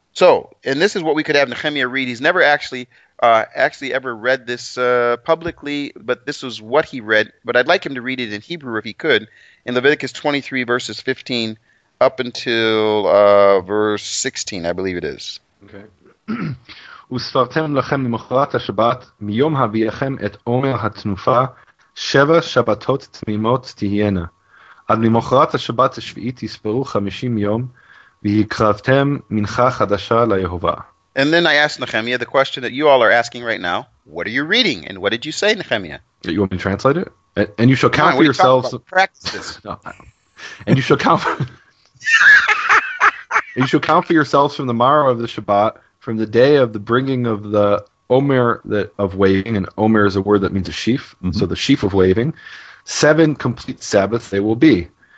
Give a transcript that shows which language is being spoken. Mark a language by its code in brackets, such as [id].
[en] So, and this is what we could have Nehemia read. He's never actually ever read this publicly, but this was what he read. But I'd like him to read it in Hebrew if he could. In Leviticus 23, verses 15 up until verse 16, I believe it is. Okay. [he] וספרתם לכם למחרת השבת מיום הביאכם את עומר התנופה שבע שבתות תמימות תהיינה. עד למחרת השבת השביעית תספרו 50 יום והקרבתם מנחה חדשה ליהובה. [en] And then I asked Nehemia the question that you all are asking right now. What are you reading? And what did you say, Nehemia? You want me to translate it? And you shall count for yourselves. Practices. No. And you shall count for... you shall count for yourselves from the morrow of the Shabbat, from the day of the bringing of the Omer that of waving, and Omer is a word that means a sheaf, so the sheaf of waving, 7 complete Sabbaths they will be.